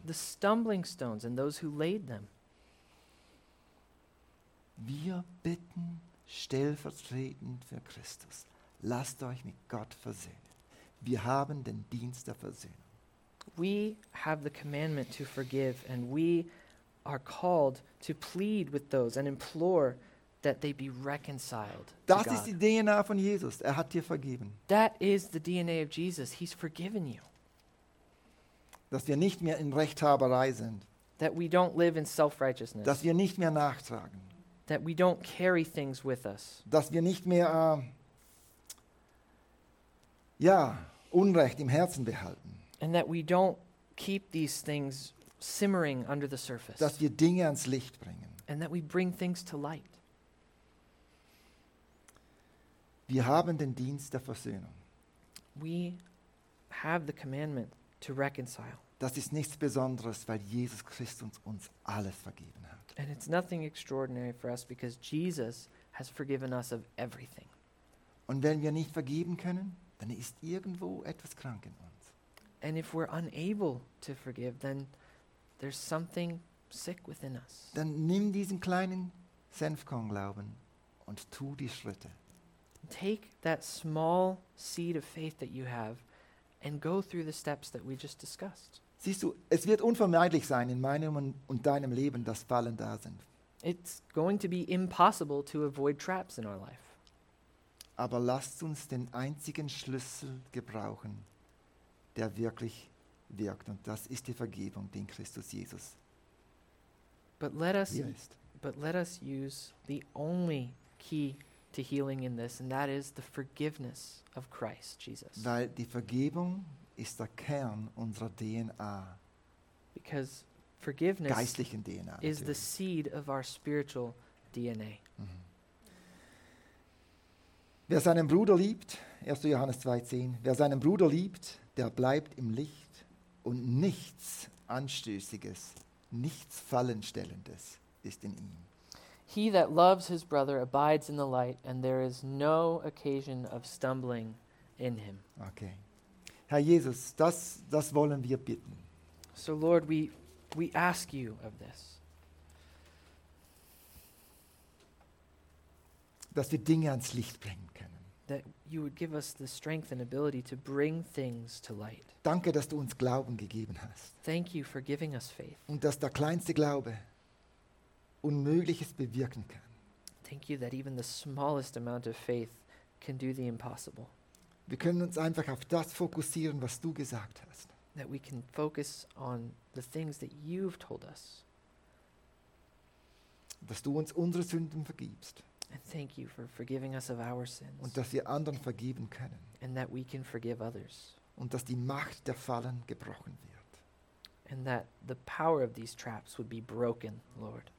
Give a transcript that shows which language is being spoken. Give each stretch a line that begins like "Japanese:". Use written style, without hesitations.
English: The stumbling stones and those who laid them.
German: Wir bitten stellvertretend für Christus, lasst euch mit Gott versöhnen. Wir haben den Dienst der Versöhnung.
English: We have the commandment to forgive and we are called to plead with those and implore that they be reconciled.
German: Das ist die DNA von Jesus. Er hat dir vergeben.
English: That is the DNA of Jesus. He's forgiven you.
German: Dass wir nicht mehr in Rechthaberei sind.
English: That we don't live in self-righteousness.
German: Dass wir nicht mehr nachtragen.
English: That we don't carry things with us.
German: Dass wir nicht mehr Unrecht im Herzen behalten.
English: And that we don't keep these things simmering under the surface.
German: Dass wir Dinge ans Licht bringen.
English: And that we bring things to light.
German: Wir haben den Dienst der Versöhnung.
English: We have the commandment to reconcile.
German: Das ist nichts Besonderes, weil Jesus Christus uns alles vergeben hat.
English: And it's nothing extraordinary for us because Jesus has forgiven us of everything.
German: Und wenn wir nicht vergeben können, dann ist irgendwo etwas krank in uns.
English: And if we're unable to forgive, then there's something sick within us.
German: Dann nimm diesen kleinen Senfkorn-Glauben und tu die Schritte.
English: Take that small seed of faith that you have and go through the steps that we just discussed.
German: Siehst du, es wird unvermeidlich sein in meinem und deinem Leben, dass Fallen da sind.
English: It's going to be impossible to avoid traps in our life.
German: Aber lasst uns den einzigen Schlüssel gebrauchen, der wirklich wirkt. Und das ist die Vergebung, die in Christus Jesus ist.
English: But let us use the only key to healing in this, and that is the forgiveness of Christ Jesus.
German: Weil die Vergebung ist der Kern unserer DNA.
English: Because forgiveness,
German: geistlichen DNA,
English: is
German: natürlich
English: the seed of our spiritual DNA. Mm-hmm.
German: Wer seinen Bruder liebt, 1. Johannes 2,10. Wer seinen Bruder liebt, der bleibt im Licht und nichts Anstößiges, nichts Fallenstellendes ist in ihm.
English: He that loves his brother abides in the light and there is no occasion of stumbling in him.
German: Okay. Herr Jesus, das wollen wir bitten.
English: So Lord, we ask you of this.
German: Dass wir Dinge ans Licht bringen können.
English: That you would give us the strength and ability to bring things to light.
German: Danke, dass du uns Glauben gegeben hast.
English: Thank you for giving us faith.
German: Und dass der kleinste Glaube Unmögliches bewirken kann.
English: Thank you that even the smallest amount of faith can do the impossible.
German: Wir können uns einfach auf das fokussieren, was du gesagt hast.
English: That we can focus on the things that you've told us.
German: Dass du uns unsere Sünden vergibst.
English: And thank you for forgiving us of our sins.
German: Und dass wir anderen vergeben können.
English: And that we can forgive others.
German: Und dass die Macht der Fallen gebrochen wird.
English: And that the power of these traps would be broken, Lord.